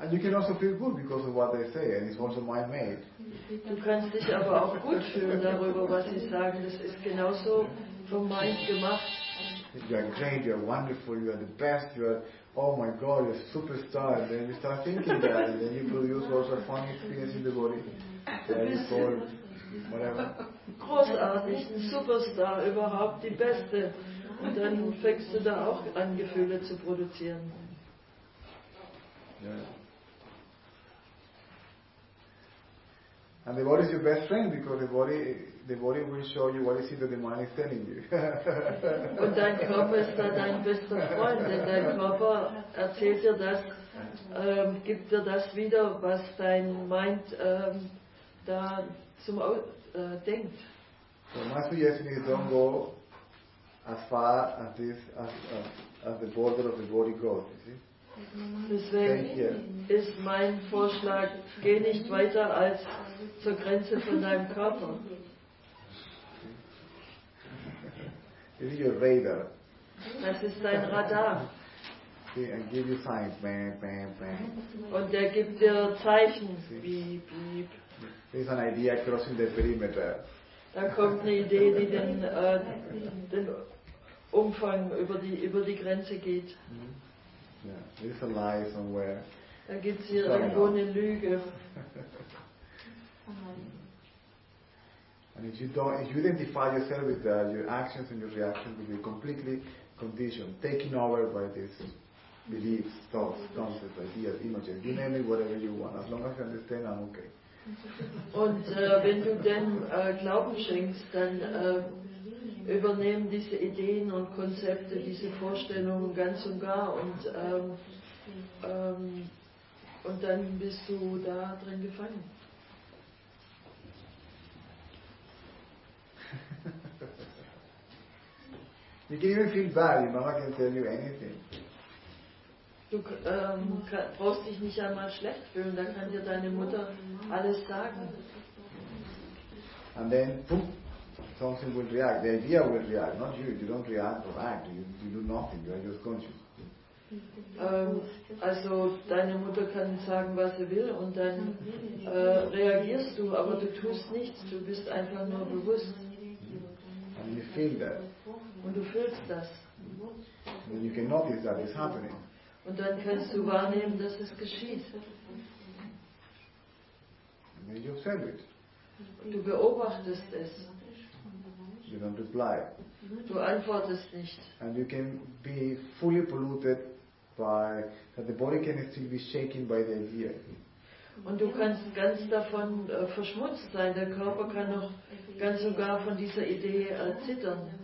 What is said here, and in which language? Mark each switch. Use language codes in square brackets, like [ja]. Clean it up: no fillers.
[en] And you can also feel good because of what they say, and it's also mind-made. [de] Du kannst dich aber auch gut fühlen darüber, was sie sagen. Das ist genauso vom Mind gemacht. [en] You are great, you are wonderful, you are the best, you are, oh my God, you are a superstar. And then you start thinking that, and then you produce also a funny experience in the body. Very cold, whatever. [de] Großartig, ein Superstar, überhaupt die Beste. Und dann fängst du da auch an, Gefühle zu produzieren. [en] Yeah. And the body is your best friend, because the body will show you what it is that the mind is telling you. [de] Und dein Körper ist da dein bester Freund, denn dein Körper erzählt dir das, gibt dir das wieder, was dein Mind da zum denkt. [en] So my suggestion is don't go as far as this as the border of the body goes. You see? [de] Deswegen ist mein Vorschlag, geh nicht weiter als zur Grenze von deinem Körper. [en] This is your radar. [de] Das ist dein Radar. [en] See, and give you signs, bam, bam, bam. [de] Und der gibt dir Zeichen. [en] See? [de] Beep, beep. [en] There's an idea crossing the perimeter. [de] Da kommt eine Idee, die den Umfang über die Grenze geht. [en] Mm-hmm. Yeah, there's a lie somewhere. [de] Da gibt's hier irgendwo eine Lüge. [en] And if you don't, if you identify yourself with that, your actions and your reactions will be completely conditioned, taken over by these beliefs, thoughts, concepts, ideas, images, you name it, whatever you want. As long as you understand, I'm okay. [de] Und wenn du dem Glauben schenkst, dann übernehmen diese Ideen und Konzepte, diese Vorstellungen ganz und gar und dann bist du da drin gefangen. [en] You can even feel bad, your mama can tell you anything. [de] Du brauchst dich nicht einmal schlecht fühlen, dann kann dir deine Mutter alles sagen. [en] And then, boom, something will react, the idea will react, not you, you don't react or act, you do nothing, you are just conscious. [de] Also deine Mutter kann sagen, was sie will und dann reagierst du, aber du tust nichts, du bist einfach nur bewusst. [en] And you feel that. [de] Und du fühlst das. [en] And you can notice that it's happening. [de] Und dann kannst du wahrnehmen, dass es geschieht. [en] And then you observe it. [de] Du beobachtest es. [en] You don't reply. [de] Du antwortest nicht. [en] And you can be fully polluted by that the body can still be shaken by the idea. [de] Und du kannst ganz davon verschmutzt sein. Der Körper kann noch ganz und gar von dieser Idee zittern.